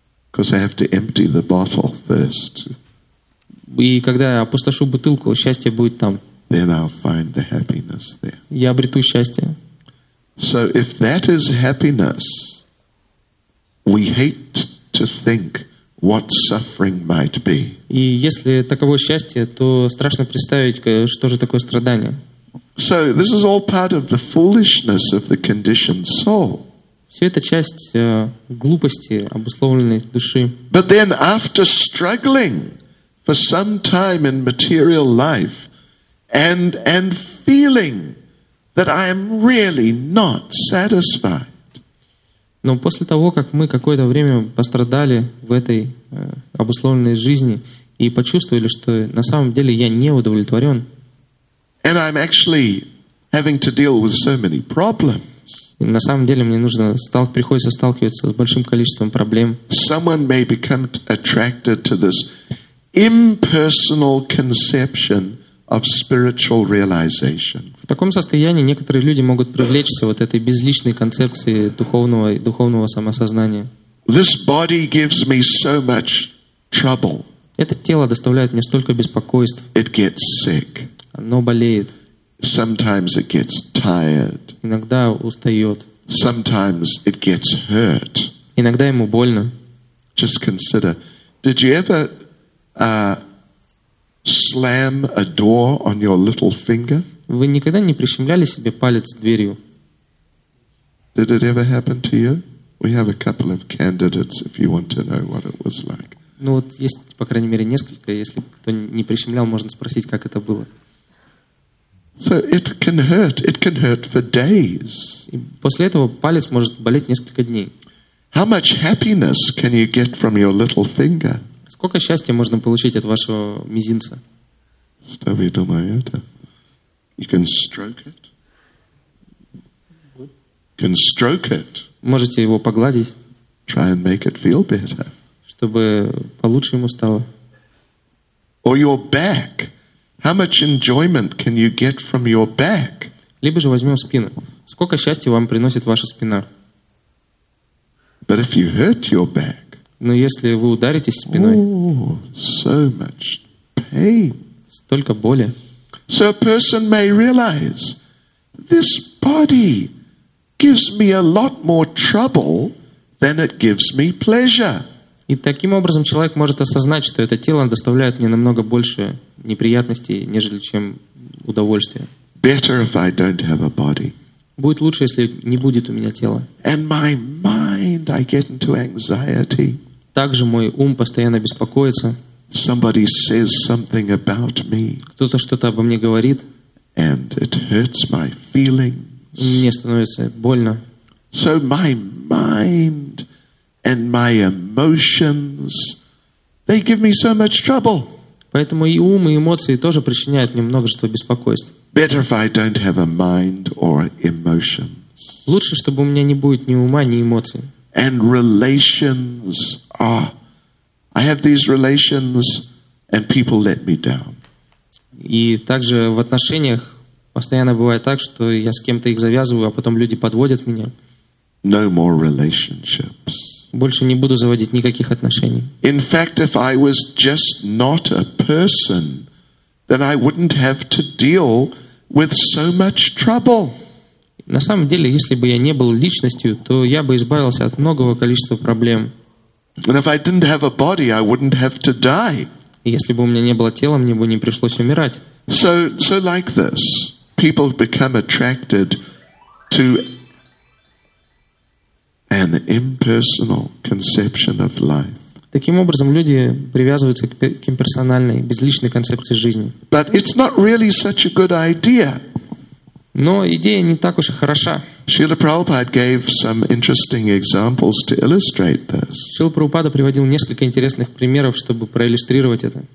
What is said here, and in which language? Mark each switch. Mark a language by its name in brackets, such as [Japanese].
[English] Because I have to empty the bottle first. [Russian] И когда я опустошу бутылку, счастье будет там. [English] Then I'll find the happiness there. [Russian] Я обрету счастье. [English] So if that is happiness, we hate to think what suffering might be. [Russian] И если таково счастье, то страшно представить, что же такое страдание. [English] So this is all part of the foolishness of the conditioned soul. [Russian] Все это часть глупости обусловленной души. [English] But then after struggling for some time in material life and feeling that I am really not satisfied. [Russian] Но после того, как мы какое-то время пострадали в этой обусловленной жизни и почувствовали, что на самом деле я не удовлетворен, [English] and I'm actually having to deal with so many problems. [Russian] На самом деле мне нужно приходится сталкиваться с большим количеством проблем. [English] Someone may become attracted to this impersonal conception of spiritual realization. [Russian] В таком состоянии некоторые люди могут привлечься вот этой безличной концепции духовного самосознания. [English] This body gives me so much trouble. [Russian] Это тело доставляет мне столько беспокойств. [English] It gets sick. [Russian] Оно болеет. [English] Sometimes it gets tired. [Russian] Иногда устает. [English] Sometimes it gets hurt. [Russian] Иногда ему больно. [English] Just consider, did you ever slam a door on your little finger? [Russian] Вы никогда не прищемляли себе палец дверью? [English] Did it ever happen to you? We have a couple of candidates if you want to know what it was like. [Russian] Ну вот есть, по крайней мере, несколько. Если кто не прищемлял, можно спросить, как это было. [English] So it can hurt. It can hurt for days. [Russian] И после этого палец может болеть несколько дней. [English] How much happiness can you get from your little finger? [Russian] Сколько счастья можно получить от вашего мизинца? Что вы думаете? [English] You can stroke it. Can stroke it. [Russian] Можете его погладить. [English] Try and make it feel better. [Russian] Чтобы получше ему стало. [English] Or your back. How much enjoyment can you get from your back? [Russian] Либо же возьмем спину. Сколько счастья вам приносит ваша спина? [English] But if you hurt your back. [Russian] Но если вы ударитесь спиной, [English] so much pain. [Russian] Столько боли. [English] So a person may realize, this body gives me a lot more trouble than it gives me pleasure. [Russian] И таким образом человек может осознать, что это тело доставляет мне намного больше неприятностей, нежели чем удовольствия. [English] Better if I don't have a body. [Russian] Будет лучше, если не будет у меня тела. [English] And my mind, I get into anxiety. [Russian] Также мой ум постоянно беспокоится. [English] Somebody says something about me. [Russian] Кто-то что-то обо мне говорит. [English] And it hurts my feelings. [Russian] Мне становится больно. [English] So my mind and my emotions, they give me so much trouble. [Russian] Поэтому и ум, и эмоции тоже причиняют мне множество беспокойств. [English] Better if I don't have a mind or emotions. [Russian] Лучше, чтобы у меня не будет ни ума, ни эмоций. [English] And relations. Ah, I have these relations, and people let me down. [Russian] И также в отношениях постоянно бывает так, что я с кем-то их завязываю, а потом люди подводят меня. [English] No more relationships. [Russian] Больше не буду заводить никаких отношений. [English] In fact, if I was just not a person, then I wouldn't have to deal with so much trouble. [Russian] На самом деле, если бы я не был личностью, то я бы избавился от многого количества проблем. [English] And if I didn't have a body, I wouldn't have to die. [Russian] Если бы у меня не было тела, мне бы не пришлось умирать. [English] So like this, people become attracted to an impersonal conception of life. [Russian] Таким образом, люди привязываются к имперсональной, безличной концепции жизни. [English] But it's not really such a good idea. [Russian] Но идея не так уж и хороша. [English] Шрила Прабхупада gave some interesting examples to illustrate this. [Russian] Шрила Прабхупада приводил несколько интересных примеров, чтобы проиллюстрировать это.